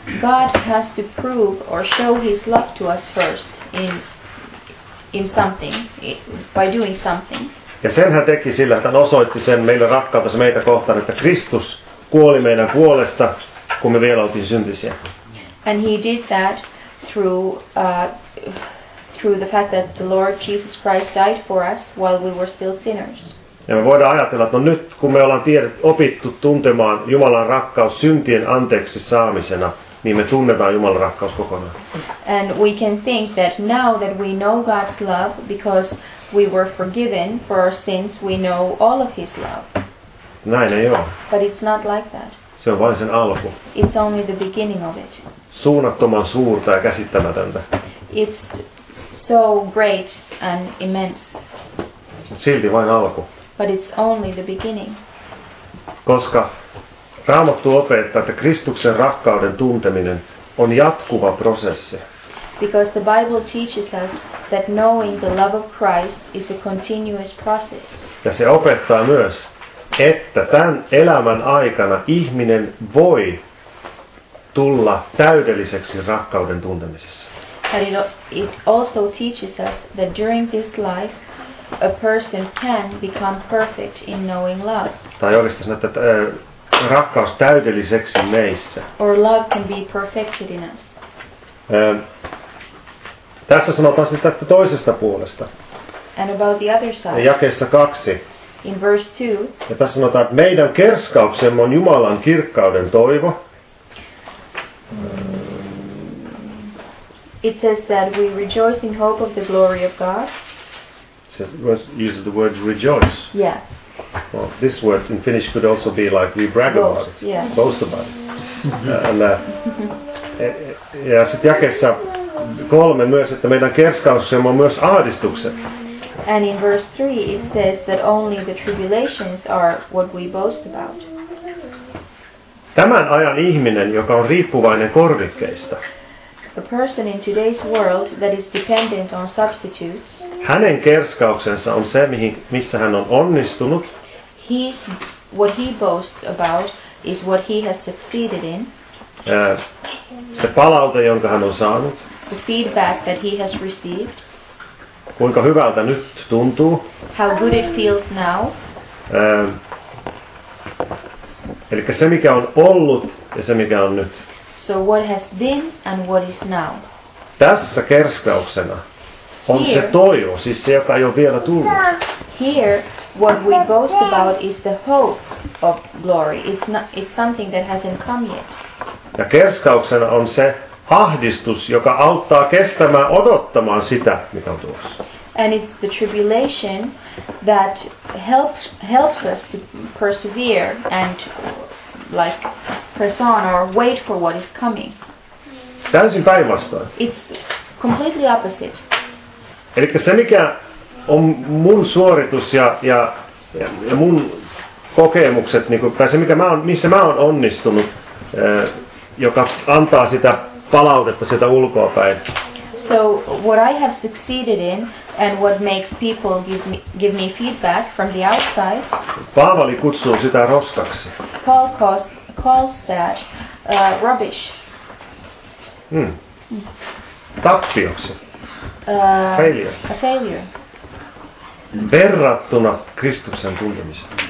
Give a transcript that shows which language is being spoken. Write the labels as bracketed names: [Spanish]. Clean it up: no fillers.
[English] God has to prove or show his love to us first in something, by doing something. [Finnish] Ja sen hän teki sillä, että hän osoitti sen meille rakkautensa meitä kohtaan, että Kristus kuoli meidän puolesta, kun me vielä oltiin syntisiä. [English] And he did that through the fact that the Lord Jesus Christ died for us while we were still sinners. [Finnish] Ja me voidaan ajatella, että no nyt kun me ollaan opittu tuntemaan Jumalan rakkaus syntien anteeksi saamisena, niin me tunnetaan Jumalan rakkaus kokonaan. [English] And we can think that now that we know God's love because we were forgiven for our sins, we know all of his love. [Finnish] Näin ei ole. [English] But it's not like that. [Finnish] Se on vain sen alku. [English] It's only the beginning of it. [Finnish] Suunnattoman suurta ja käsittämätöntä. [English] It's so great and immense. [Finnish] Silti vain alku. [English] But it's only the beginning. [Finnish] Koska Raamattu opettaa, että Kristuksen rakkauden tunteminen on jatkuva prosessi. [English] Because the Bible teaches us that knowing the love of Christ is a continuous process. [Finnish] Ja se opettaa myös, että tämän elämän aikana ihminen voi tulla täydelliseksi rakkauden tuntemisessa. [English] But it also teaches us that during this life a person can become perfect in knowing love. [Finnish] Tai oikeastaan sanoa, että rakkaus täydelliseksi meissä. [English] Or love can be perfected in us. [Finnish] Tässä sanotaan sitten tästä toisesta puolesta. [English] And about the other side. [Finnish] Jakeessa 2. [English] In verse 2. [Finnish] Ja tässä sanotaan, että meidän kerskauksemme on Jumalan kirkkauden toivo. [English] It says that we rejoice in hope of the glory of God. Uses the word rejoice. Yeah. Well, this word in Finnish could also be like we brag boast, about it. Yeah. Boast about it. [Finnish] ja sitten jakeessa 3 myös, että meidän kerskauksemme on myös ahdistukset. [English] And in verse 3 it says that only the tribulations are what we boast about. [Finnish] Tämän ajan ihminen, joka on riippuvainen korvikkeista. [English] A person in today's world that is dependent on substitutes. [Finnish] Hänen kerskauksensa on se, missä hän on onnistunut. [English] His, what he boasts about is what he has succeeded in. [Finnish] Se palaute, jonka hän on saanut. [English] The feedback that he has received. [Finnish] Kuinka hyvältä nyt tuntuu. [English] How good it feels now. [Finnish] Eli se, mikä on ollut ja se, mikä on nyt. [English] So what has been and what is now. [Finnish] Tässä kerskauksena on [English] here, [Finnish] se toivo, siis se, joka ei ole vielä tullut. [English] Here, what we boast about is the hope of glory. It's not, it's something that hasn't come yet. [Finnish] Ja kerskauksena on se ahdistus, joka auttaa kestämään odottamaan sitä, mitä on tulossa. [English] And it's the tribulation that helps us to persevere and like press on or wait for what is coming. [Finnish] Täysin päinvastoin. [English] It's completely opposite. [Finnish] Elikkä se, mikä on mun suoritus ja mun kokemukset, niin kuin, tai se, mikä mä on, missä mä oon onnistunut, joka antaa sitä palautetta sieltä ulkoa päin. [English] So what I have succeeded in and what makes people give me feedback from the outside. [Finnish] Paavali kutsuu sitä roskaksi. [English] Paul calls that rubbish. [Finnish] Hmm. Tappioksi. Failure. [English] A failure. [Finnish] Verrattuna Kristuksen tuntemiseen.